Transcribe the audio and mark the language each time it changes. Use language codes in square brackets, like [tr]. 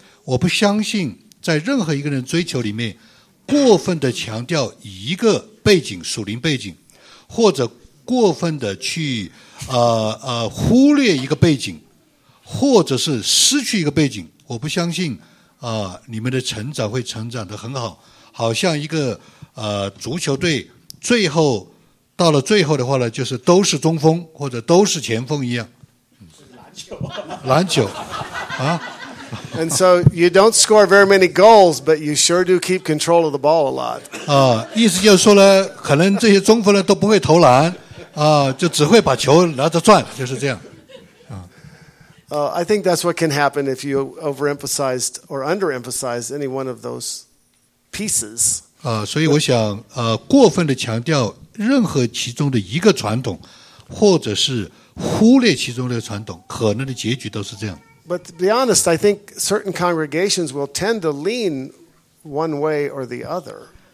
[zh] 我不相信在任何一个人追求里面过分的强调一个背景，属灵背景，或者过分的去忽略一个背景，或者是失去一个背景。我不相信你们的成长会成长得很好，好像一个足球队最后到了最后的话呢，就是都是中锋或者都是前锋一样。篮球，篮球啊。 [en] And so you don't score very many goals, but you sure do keep control of the ball a lot. [zh] 意思就是说呢，可能这些中锋呢都不会投篮，就只会把球拿着转，就是这样。 [en] I think that's what can happen if you overemphasized or underemphasized any one of those pieces. [zh] 所以我想，过分的强调任何其中的一个传统，或者是忽略其中的传统，可能的结局都是这样。 [en] But to be honest, I think certain congregations will tend to lean one way or the other.